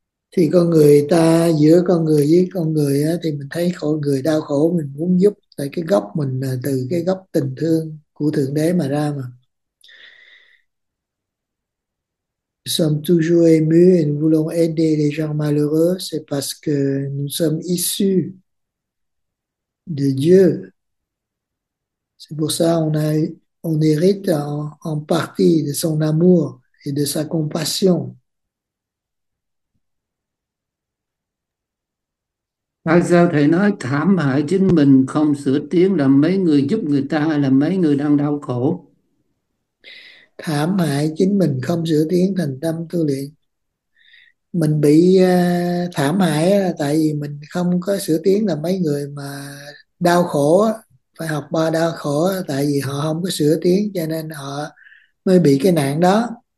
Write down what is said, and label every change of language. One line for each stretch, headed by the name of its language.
Vietnamese: Thì con người ta, giữa con người với con người á, thì mình thấy khổ người đau khổ, mình muốn giúp tại cái gốc mình, từ cái gốc tình thương của Thượng Đế mà ra mà.
French: Sommes toujours émus et nous voulons aider les gens malheureux, c'est parce que nous sommes issus de Dieu. C'est pour ça on hérite en partie de son amour et de sa compassion.
Vietnamese: Tại sao thầy nói thảm hại chính mình không sửa tiếng là mấy người giúp người ta là mấy người đang đau khổ? Thảm hại chính mình không sửa tiến thành tâm tu luyện. Mình bị thảm hại là tại vì mình không có sửa tiến, là mấy người mà đau khổ phải học ba đau khổ, tại vì họ không có sửa tiến cho nên họ mới bị cái nạn đó.